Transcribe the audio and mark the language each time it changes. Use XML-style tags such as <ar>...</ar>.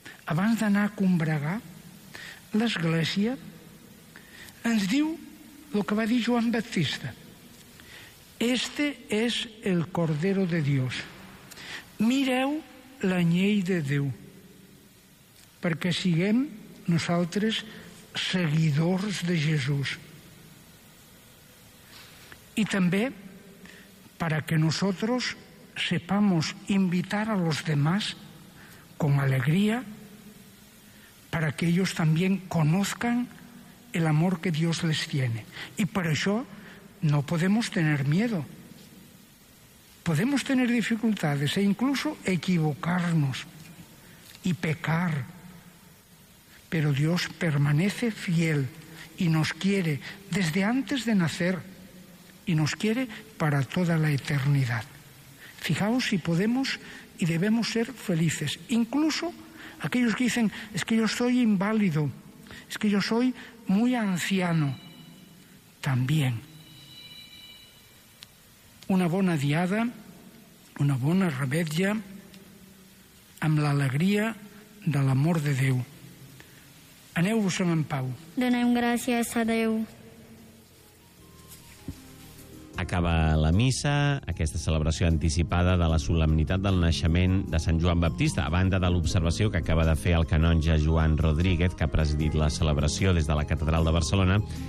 <ca>Abans d'anar a combregar, l'Església ens diu el que va dir Joan Baptista.</ca> <es>Este és el Cordero de Dios.</es> <ca>Mireu l'anyell de Déu, perquè siguem nosaltres seguidors de Jesús. I també</ca> <es>para que nosotros sepamos invitar a los demás con alegría, para que ellos también conozcan el amor que Dios les tiene. Y por eso no podemos tener miedo. Podemos tener dificultades e incluso equivocarnos y pecar. Pero Dios permanece fiel y nos quiere desde antes de nacer y nos quiere para toda la eternidad. Fijaos si podemos y debemos ser felices. Incluso aquellos que dicen, es que yo soy inválido, es que yo soy muy anciano, también.</es> <ca>Una bona diada, una bona revetlla, amb l'alegria de l'amor de Déu. Aneu-vos-en en pau. Donem gràcies a Déu. Acaba la missa, aquesta celebració anticipada de la solemnitat del naixement de Sant Joan Baptista, a banda de l'observació que acaba de fer el canonge Joan Rodríguez, que ha presidit la celebració des de la Catedral de Barcelona.</ca>